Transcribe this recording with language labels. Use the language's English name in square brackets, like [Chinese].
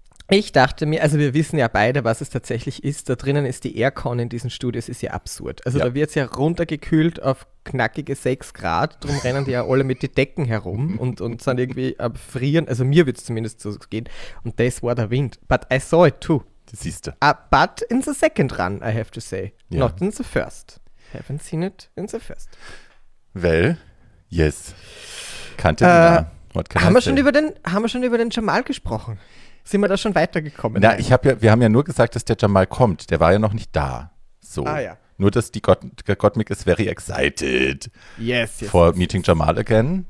[German] Ich dachte mir, also wir wissen ja beide, was es tatsächlich ist, da drinnen ist die Aircon in diesen Studios, ist ja absurd. Also ja, da wird es ja runtergekühlt auf knackige 6 Grad, drum rennen die ja alle mit den Decken herum und sind irgendwie am Frieren, also mir wird es zumindest so gehen und das war der Wind. [English] But I saw it too. [German] Das siehst du. [English] But in the second run, I have to say. Ja. Not in the first. Haven't seen it in the first. Well, yes. Kannte die What can I say? [German] Haben wir schon über den Jamal gesprochen? Sind wir da schon weitergekommen? Na, wir haben ja nur gesagt, dass der Jamal kommt. Der war ja noch nicht da. So. Ah ja. Nur, dass die Gottmik ist [English] very excited. Yes. For yes, meeting Jamal again.